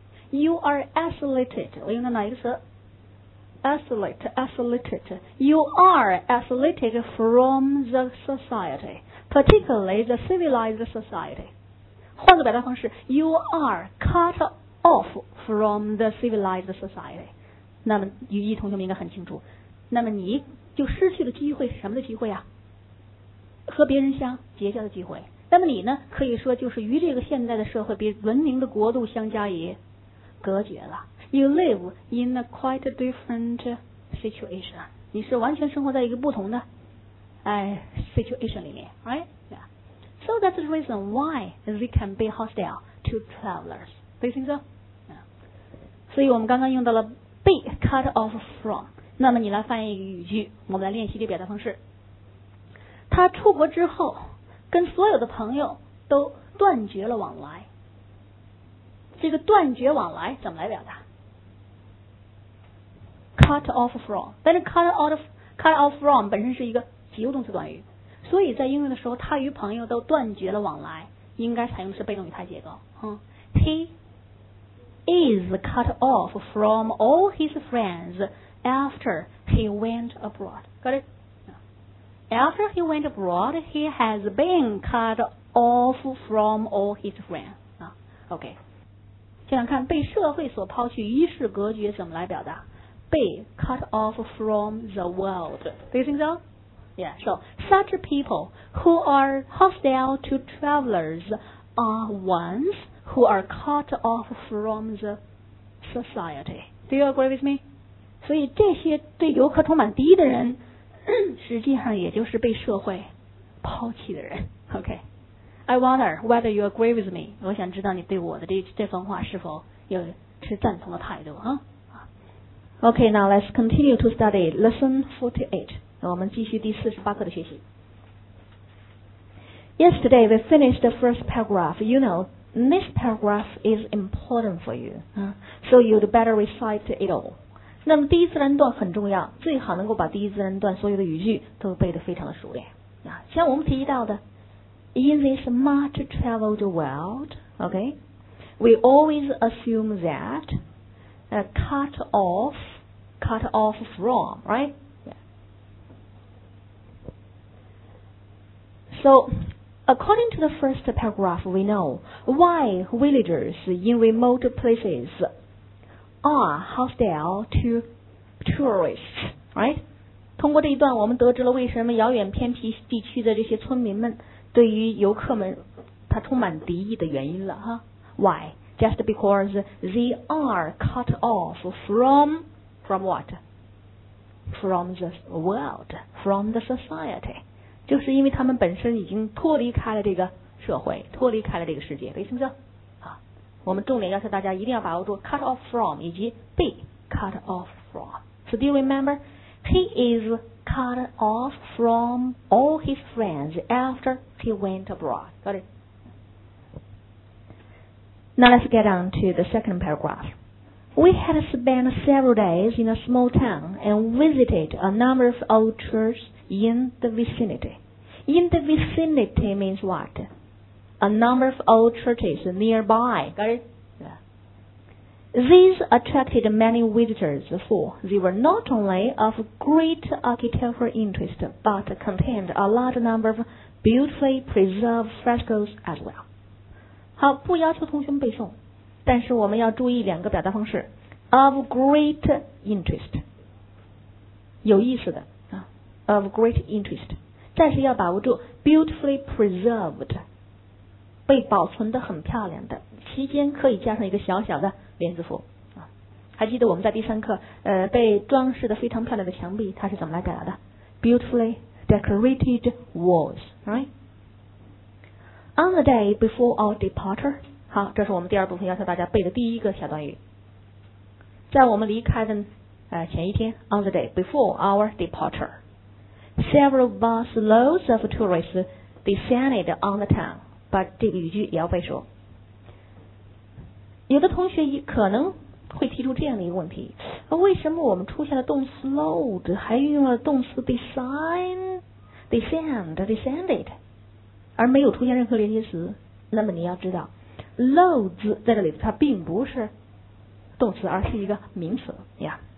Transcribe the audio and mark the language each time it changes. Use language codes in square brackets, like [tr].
[en] You are isolated. [zh] 我用的哪一个词？ [en] Isolated. You are isolated from the society, particularly the civilized society. [zh] 换个表达方式， [en] you are cut off from the civilized society. [zh] 那么语义同学们应该很清楚，那么你就失去了机会，什么的机会啊？和别人相结交的机会。那么你呢，可以说就是与这个现代的社会比文明的国度相加以隔绝了。 [en] You live in a quite different situation. [zh] 你是完全生活在一个不同的situation 里面 ， [en] right? Yeah. So that's the reason why they can be hostile to travelers. Do you think so? Yeah. [zh] 所以我们刚刚用到了 [en] be cut off from. [zh] 那么你来翻译一个语句，我们来练习这表达方式。他出国之后，跟所有的朋友都断绝了往来。这个断绝往来怎么来表达？ [en] Cut off from， [zh] 但是 cut off from 本身是一个及物动词短语，所以在应用的时候，他与朋友都断绝了往来，应该采用的是被动语态结构。 [en] He is cut off from all his friends after he went abroad. Got it? After he went abroad, he has been cut off from all his friends. Okay. 想想看，被社会所抛弃，与世隔绝，怎么来表达？ Be cut off from the world. Do you think so? Yeah. So such people who are hostile to travelers are ones who are cut off from the society. Do you agree with me? [zh] 所以这些对游客充满敌意的人，实际上也就是被社会抛弃的人。 [en] Okay. I wonder whether you agree with me. [zh] 我想知道你对我的这番话是否有持赞同的态度啊？ [en] Okay, now let's continue to study lesson 48. [zh] 我们继续第四十八课的学习。 [en] Yesterday, we finished the first paragraph. You know, this paragraph is important for you. So you'd better recite it all. [zh] 那么第一自然段很重要，最好能够把第一自然段所有的语句都背得非常的熟练。像我们提到的 [en] ,In this much traveled world, okay, we always assume that,cut off from, right? Yeah. So, according to the first paragraph, we know why villagers in remote places are hostile to tourists, right? [zh] 通过这一段，我们得知了为什么遥远偏僻地区的这些村民们对于游客们他充满敌意的原因了，哈。 [en] Why? Just because they are cut off from what? From the world, from the society. [zh] 就是因为他们本身已经脱离开了这个社会，脱离开了这个世界，对，行不行？我们重点要求大家一定要把握住 cut off from 以及 [en] be cut off from. So do you remember? He is cut off from all his friends after he went abroad. Got it? Now let's get on to the second paragraph. We had spent several days in a small town and visited a number of old churches in the vicinity. In the vicinity means what? A number of old churches nearby. Got it? Yeah. These attracted many visitors, for they were not only of great architectural interest, but contained a large number of beautifully preserved frescoes as well. [zh] 好，不要求同学们背诵，但是我们要注意两个表达方式 [en] ，of great interest， [zh] 有意思的啊 [en] ，of great interest， [zh] 但是要把握住 [en] beautifully preserved， [zh] 被保存得很漂亮的，期间可以加上一个小小的连字符啊。还记得我们在第三课，被装饰得非常漂亮的墙壁，它是怎么来表达的 [en] ？beautifully decorated walls， right？ On the day before our departure, [zh] 好，这是我们第二部分要求大家背的第一个小段语。在我们离开的前一天 [en] ，on the day before our departure, several busloads of tourists descended on the town. [zh] 把这个语句也要背熟。有的同学可能会提出这样的一个问题： 那为什么我们出现了动词 load， 还运用了动词 design、descend、descended， 而没有出现任何连接词？那么你要知道 ，loads 在这里它并不是动词，而是一个名词呀。